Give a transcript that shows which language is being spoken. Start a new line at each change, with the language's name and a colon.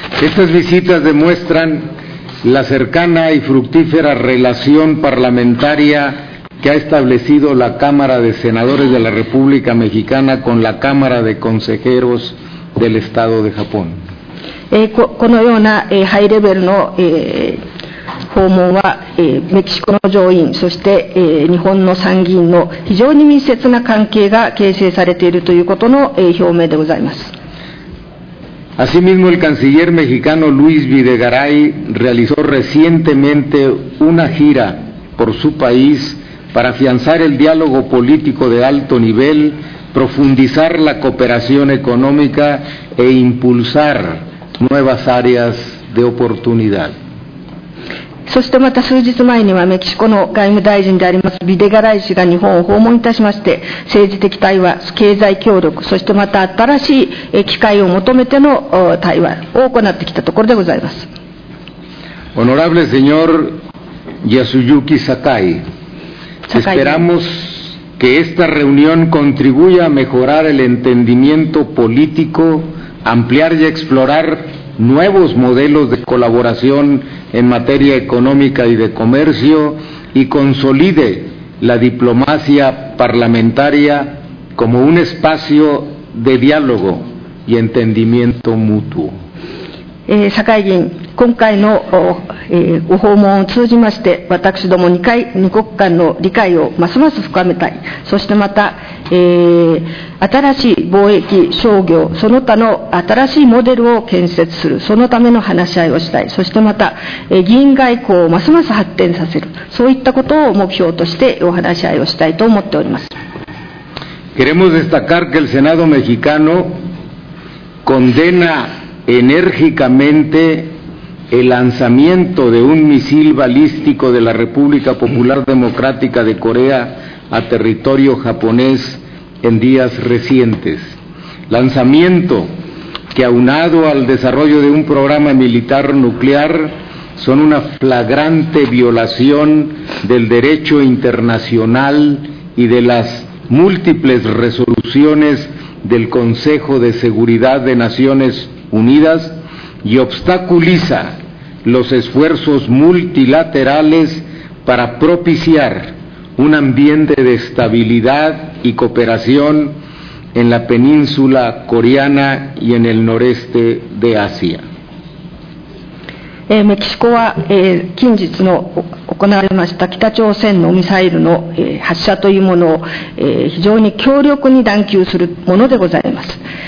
Spanish: Estas visitas demuestran la cercana y fructífera relación parlamentaria que ha establecido la Cámara de Senadores de la República Mexicana con la Cámara de Consejeros del Estado de Japón.
Japanese: このような、ハイレベルの、訪問は、メキシコの上院、そして、日本の参議院の非常に密接な関係が形成されているということの、表明でございます。
Spanish: Asimismo, el canciller mexicano Luis Videgaray realizó recientemente una gira por su país para afianzar el diálogo político de alto nivel, profundizar la cooperación económica e impulsar nuevas áreas de oportunidad.
Japanese: そしてまた数日前にはメキシコの外務大臣でありますビデガライ氏が日本を訪問いたしまして、政治的対話、経済協力、そしてまた新しい機会を求めての対話を行ってきたところでございます。
Spanish: Honorable señor Yasuyuki Sakai, esperamos que esta reunión contribuya a mejorar el entendimiento político, ampliar y explorar nuevos modelos de colaboración en materia económica y de comercio y consolide la diplomacia parlamentaria como un espacio de diálogo y entendimiento mutuo.
Japanese: 堺議員、今回の、訪問を通じまして、私ども二国間の理解をますます深めたい。そしてまた、新しい貿易、商業、その他の新しいモデルを建設する。そのための話し合いをしたい。そしてまた、議員外交をますます発展させる。そういったことを目標としてお話し合いをしたいと思っております。
Spanish: Queremos destacar que el Senado mexicano condena enérgicamente el lanzamiento de un misil balístico de la República Popular Democrática de Corea a territorio japonés en días recientes. Lanzamiento que, aunado al desarrollo de un programa militar nuclear, son una flagrante violación del derecho internacional y de las múltiples resoluciones del Consejo de Seguridad de Naciones Unidas y obstaculiza los esfuerzos multilaterales para propiciar un ambiente de estabilidad y cooperación en la península coreana y en el noreste de Asia.
Japanese: メキシコは近日の行われました北朝鮮のミサイルの発射というものを非常に強力に断求するものでございます。